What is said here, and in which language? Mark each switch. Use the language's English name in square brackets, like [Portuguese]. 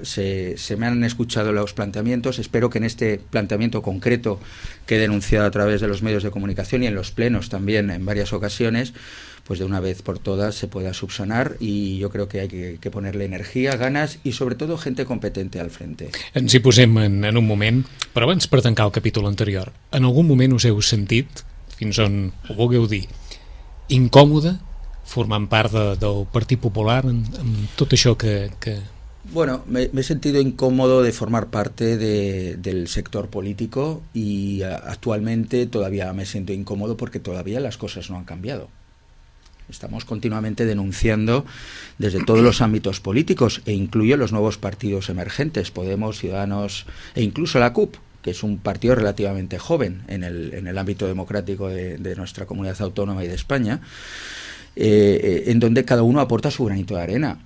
[Spanish] Se me han escuchado los planteamientos. Espero que en este planteamiento concreto que he denunciado a través de los medios de comunicación y en los plenos también en varias ocasiones, pues de una vez por todas se pueda subsanar, y yo creo que hay que ponerle energía, ganas y sobre todo gente competente al frente. [Catalan] Ens hi posem en un moment, però abans, per tancar el capítol anterior, en algun moment us heu sentit, fins on ho vulgueu dir, incòmode formant part del Partit Popular en tot això que... [Spanish] Bueno, me he sentido incómodo de formar parte del sector político, y actualmente todavía me siento incómodo porque todavía las cosas no han cambiado. Estamos continuamente denunciando desde todos los ámbitos políticos, e incluyo los nuevos partidos emergentes, Podemos, Ciudadanos e incluso la CUP, que es un partido relativamente joven en el ámbito democrático de nuestra comunidad autónoma y de España, en donde cada uno aporta su granito de arena.